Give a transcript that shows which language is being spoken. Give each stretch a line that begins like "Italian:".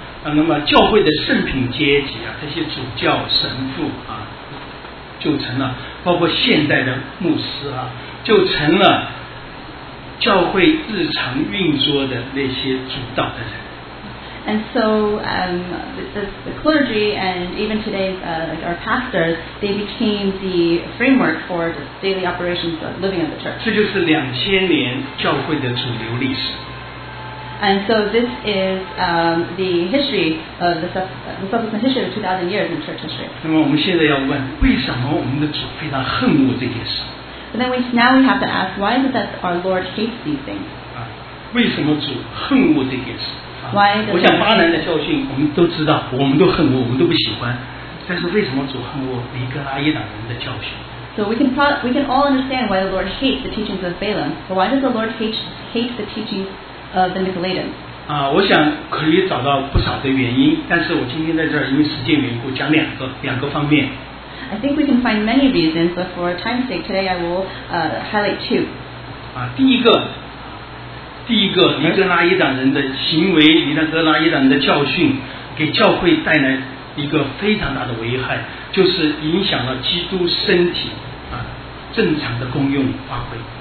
Chinese: 那么教会的圣品阶级啊，这些主教神父啊，就成了，包括现代的牧师啊，就成了教会日常运作的那些主导的人。
English: And so, the clergy and even today's our pastors, they became the framework for the daily operations of living of the church.
Chinese: 这就是2000年教会的主流历史。
English: And so this is the history of the subsequent history of 2,000 years in church history.
Chinese: 那么我们现在要问，为什么我们的主非常恨恶这件事？
English: But then now we have to ask, why is it that our Lord hates these things?
Chinese: 为什么主恨恶这件事？
English: Why does
Chinese: 我想巴兰的教训我们都知道，我们都恨恶，我们都不喜欢。但是为什么主恨恶尼格拉伊党人的教训？
English: So we can all understand why the Lord hates the teachings of Balaam. But why does the Lord hate the teachings? The Nicolaitans.
Chinese: 我想可以找到不少的原因，但是我今天在这儿因为时间缘故讲两个方面。
English: I think we can find many reasons, but for time's sake today, I will highlight two.
Chinese: 第一个，第一个尼哥拉耶党人的行为，尼哥拉耶党人的教训给教会带来一个非常大的危害，就是影响了基督身体啊正常的功用发挥。